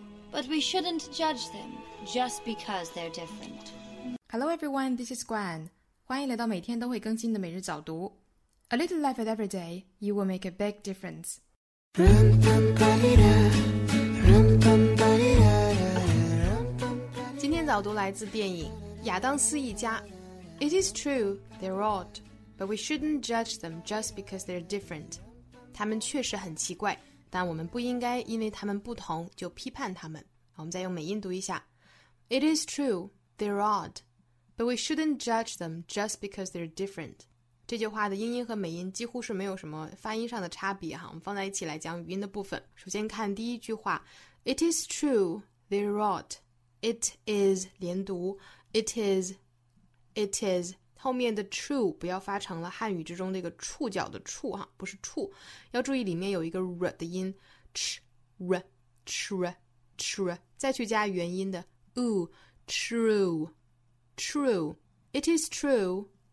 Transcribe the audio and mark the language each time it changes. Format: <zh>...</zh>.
<en>But we shouldn't judge them just because they're different. Hello everyone, this is Gwen.</en> <zh>欢迎来到每天都会更新的每日早读。</zh> <en>A little life at every day, you will make a big difference. It is true, they're odd, but we shouldn't judge them just because they're different.</en> <zh>他们确实很奇怪，但我们不应该因为他们不同就批判他们。我们再用美音读一下。</zh> <en>It is true, they're odd, but we shouldn't judge them just because they're different.</en> <zh>这句话的英音和美音几乎是没有什么发音上的差别哈，我们放在一起来讲语音的部分。首先看第一句话 ，</zh> <en>It is true they're odd.</en> <zh>It is 连读 ，it is 后面的 true 不要发成了汉语之中那个触角的触哈，不是触，要注意里面有一个 r 的音 ，ch r ch r ch r， 再去加元音的 u true true.</zh> <en>It is true.</en>